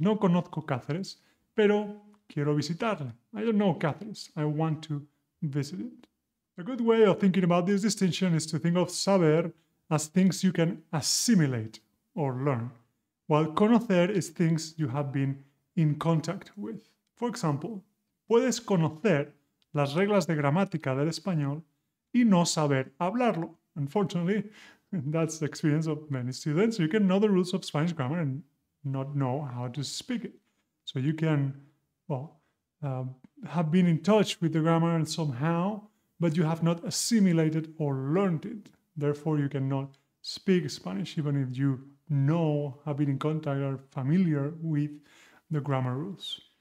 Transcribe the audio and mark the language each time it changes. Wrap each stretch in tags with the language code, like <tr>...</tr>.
<es>No conozco Cáceres, pero quiero visitarla.</es> <en>I don't know Cáceres. I want to visit it. A good way of thinking about this distinction is to think of saber as things you can assimilate or learn, while conocer is things you have been in contact with. For example,</en> <es>puedes conocer las reglas de gramática del español y no saber hablarlo.</es> <en>Unfortunately, that's the experience of many students. You can know the rules of Spanish grammar and not know how to speak it. So you can, well, have been in touch with the grammar and somehow, but you have not assimilated or learned it. Therefore, you cannot speak Spanish even if you know, have been in contact or familiar with the grammar rules.</en>